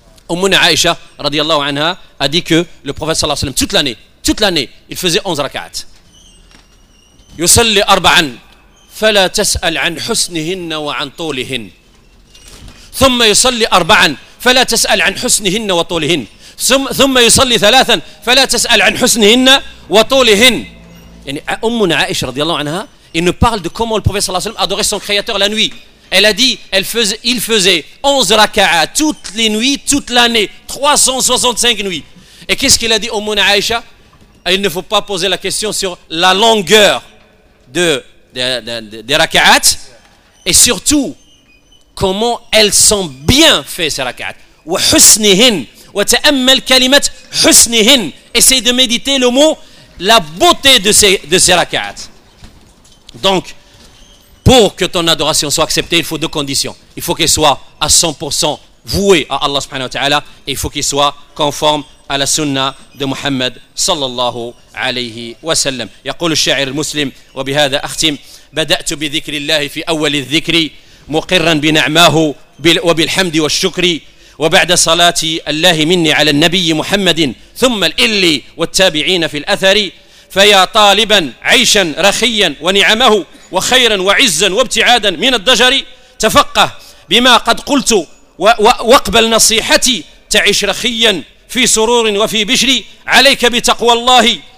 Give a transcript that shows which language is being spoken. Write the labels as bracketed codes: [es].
[ar] أمنا عائشة رضي الله عنها [fr] a dit que le prophète صلى الله عليه وسلم toute l'année il faisait 11 ركعات. [ar] يصلي أربعا فلا تسأل عن حسنهن وعن طولهن. ثم يصلي أربعا فلا تسأل عن حسنهن وطولهن. ثم يصلي ثلاثا فلا تسأل عن حسنهن وطولهن. يعني أمنا عائشة رضي الله عنها [fr] il nous parle de comment le prophète صلى الله عليه وسلم adorait son créateur la nuit. Elle a dit il faisait 11 raka'a toutes les nuits, toute l'année, 365 nuits. Et qu'est-ce qu'il a dit أمنا عائشة? Il ne faut pas poser la question sur la longueur de raka'at, et surtout comment elles sont bien faites ces rak'at. [ar] Wa husnihin wa ta'ammal kalimat husnihin. [fr] Essaye de méditer le mot la beauté de ces rak'at. Donc pour que ton adoration soit acceptée, il faut deux conditions. Il faut qu'elle soit à 100% vouée à Allah subhanahu wa ta'ala, et il faut qu'elle soit conforme à la sunna de Muhammad sallallahu alayhi wa sallam. [ar] Yaqul ash-sha'ir al-muslim wa bihadha akhtim bada'tu bi dhikrillah fi awwal adh-dhikr مقرا بنعماه وبالحمد والشكر وبعد صلاة الله مني على النبي محمد ثم الإلي والتابعين في الأثر فيا طالبا عيشا رخيا ونعمه وخيرا وعزا وابتعادا من الضجر تفقه بما قد قلت واقبل نصيحتي تعيش رخيا في سرور وفي بشر عليك بتقوى الله